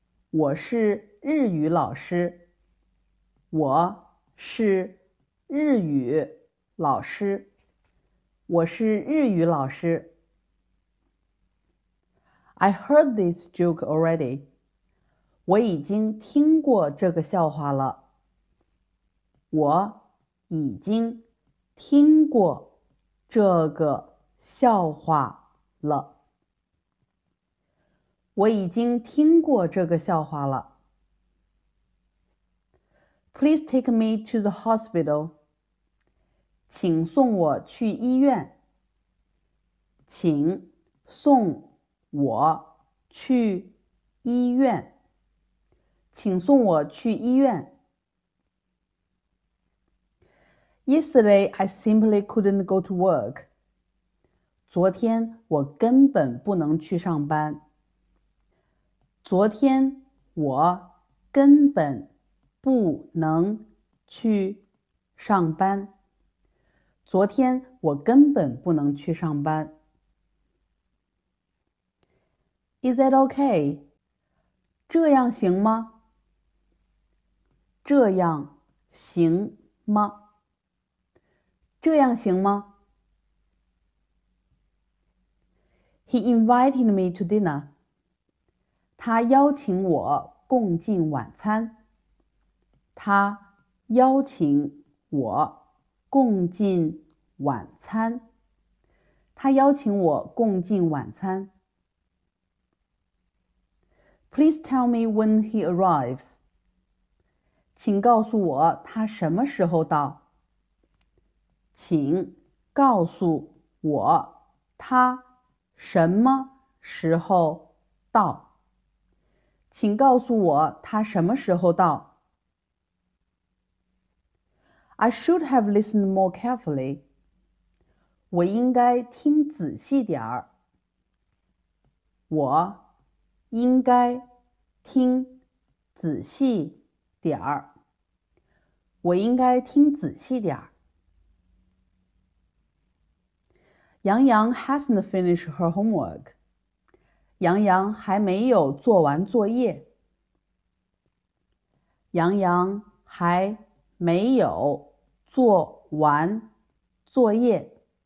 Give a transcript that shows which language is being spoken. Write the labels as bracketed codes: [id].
[zh] 我是日语老师。我是日语老师。我是日语老师。 [en] I heard this joke already. [zh] 我已经听过这个笑话了。我已经听过这个笑话了。我已经听过这个笑话了。 [en] Please take me to the hospital. [zh] 请送我去医院。请送我去医院，请送我去医院。 [en] Yesterday, I simply couldn't go to work. [zh] 昨天我根本不能去上班。昨天我根本不能去上班。昨天我根本不能去上班。 [en] Is that okay? [zh] 这样行吗？这样行吗？这样行吗？ [en] He invited me to dinner. [zh] 他邀请我共进晚餐。他邀请我共进晚餐。他邀请我共进晚餐。 [en] Please tell me when he arrives. [zh] 请告诉我他什么时候到。请告诉我他什么时候到。请告诉我他什么时候到。 [en] I should have listened more carefully. [zh] 我应该听仔细点儿。我应该听仔细点儿，我应该听仔细点儿。 [en] Yangyang hasn't finished her homework. [zh] 杨洋还没有做完作业。杨洋还没有做完作业。